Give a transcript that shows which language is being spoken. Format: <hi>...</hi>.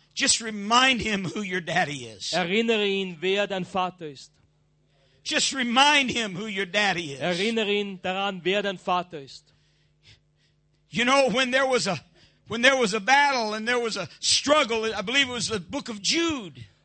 <en>Just remind him who your daddy is.</en> <de>Erinnere ihn, wer dein Vater ist.</de> <en>Just remind him who your daddy is.</en> <de>Erinnere ihn daran, wer dein Vater ist.</de> <en>You know, when there was a battle and there was a struggle, I believe it was the book of Jude.</en>